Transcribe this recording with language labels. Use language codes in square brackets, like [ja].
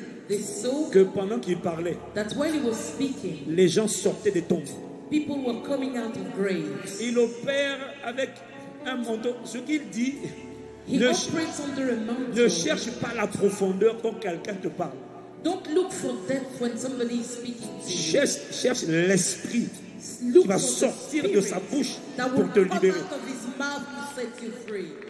[en] they saw [fr] que pendant qu'il parlait, [en] that while he was speaking, [fr] les gens sortaient des tombes. [en] People were coming out of graves. [fr] Il opère avec un manteau. Ce qu'il dit, [en] he ne, operates under a mantle. [fr] Ne cherche pas la profondeur quand quelqu'un te parle. [en] Don't look for depth when somebody is speaking to you. [fr] Cherche l'esprit qui va sortir de sa bouche pour te libérer. [en] Out of his mouth to set you free.